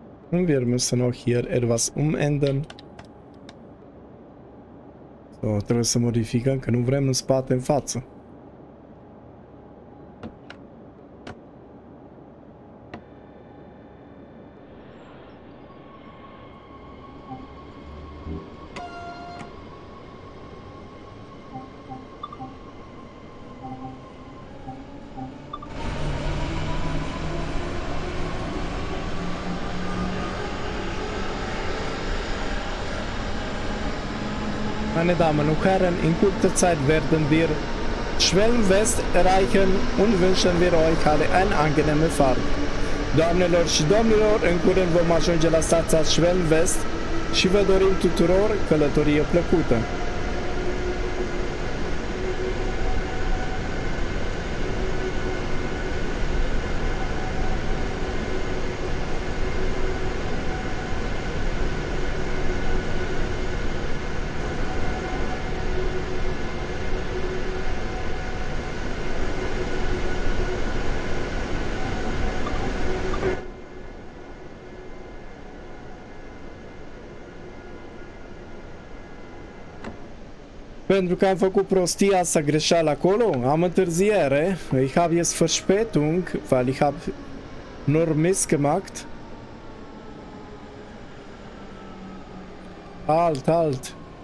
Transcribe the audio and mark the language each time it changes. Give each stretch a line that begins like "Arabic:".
German: Und wir müssen auch hier etwas umändern.
Romanian: So, trebuie să modificăm, că nu vrem în spate, în față.
German: Meine Damen und Herren, in kurzer Zeit werden wir Schwelm West erreichen und wünschen wir euch alle eine angenehme Fahrt.
Romanian: Doamnelor și domnilor, în curând vom ajunge la stația Schwelm West și vă dorim tuturor călătorie plăcută. Pentru că am făcut prostia asta greșeal acolo, am întârziere.
German: Ich habe jetzt Verspätung, weil ich habe nur Mist gemacht. Halt, halt.